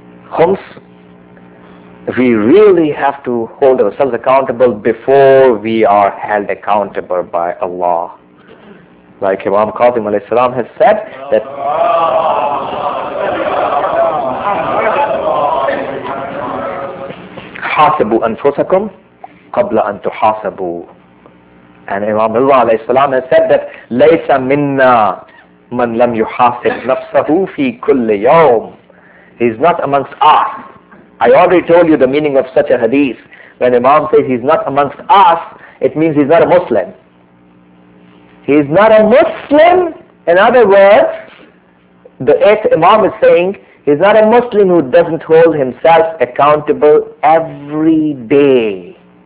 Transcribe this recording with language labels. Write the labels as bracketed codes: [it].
[en] Khums, we really have to hold ourselves accountable before we are held accountable by Allah. Like Imam Kadhim alayhi salam has said that [ar] حَاسِبُوا أَنفُسَكُمْ قَبْلَ أَن تُحَاسَبُوا. [en] And Imam Allah alayhi salam has said that [ar] لَيْسَ مِنَّا مَنْ لَمْ يُحَاسِبْ نَفْسَهُ فِي كُلِّ يَوْمٍ. [en] He's not amongst us. I already told you the meaning of such a hadith. When Imam says he's not amongst us, it means he's not a Muslim. He's not a Muslim. In other words, the Imam is saying He's not a Muslim who doesn't hold himself accountable every day.